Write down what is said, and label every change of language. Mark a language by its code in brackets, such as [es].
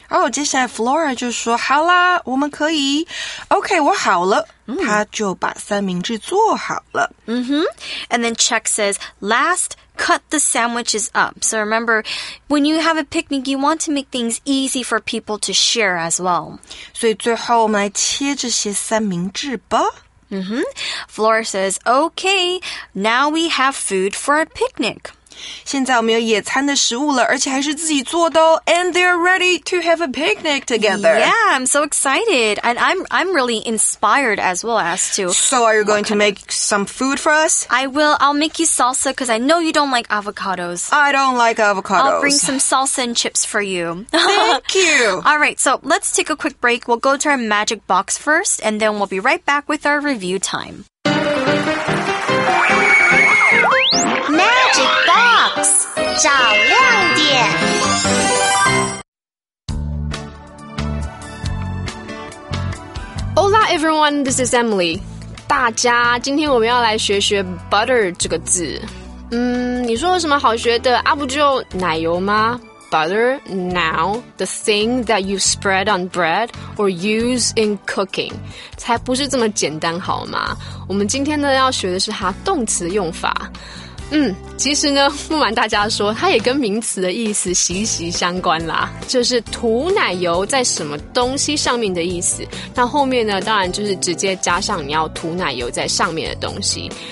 [zh] Oh, 接下来 Flora 就说好啦，我们可以。Okay, 我好了。她就把三明治做好了。 Mm-hmm. [en] And then Chuck says, last, cut the sandwiches up. So remember, when you have a picnic, you want to make things easy for people to share as well. [zh] 所以最后我们来切这些三明治吧。 [en] Mm-hmm. Flora says, okay, now we have food for a picnic. [zh] 现在我们有野餐的食物了，而且还是自己做的哦。 [en] And they're ready to have a picnic together. Yeah, I'm so excited. And I'm really inspired as well as to... So are you going to make some food for us? I will. I'll make you salsa because I know you don't like avocados. I don't like avocados. I'll bring some salsa and chips for you. Thank you. All right, so let's take a quick break. We'll go to our magic box first, and then we'll be right back with our review time. [zh] 找亮点。 [en] Hola everyone, this is Emily. [zh] 大家，今天我们要来学学 butter 这个字。你说有什么好学的啊？不就奶油吗？ [en] Butter, now, the thing that you spread on bread or use in cooking. [zh] 才不是这么简单好吗？我们今天呢要学的是它动词用法。其实呢，不瞒大家说，它也跟名词的意思息息相关啦，就是涂奶油在什么东西上面的意思。那后面呢，当然就是直接加上你要涂奶油在上面的东西。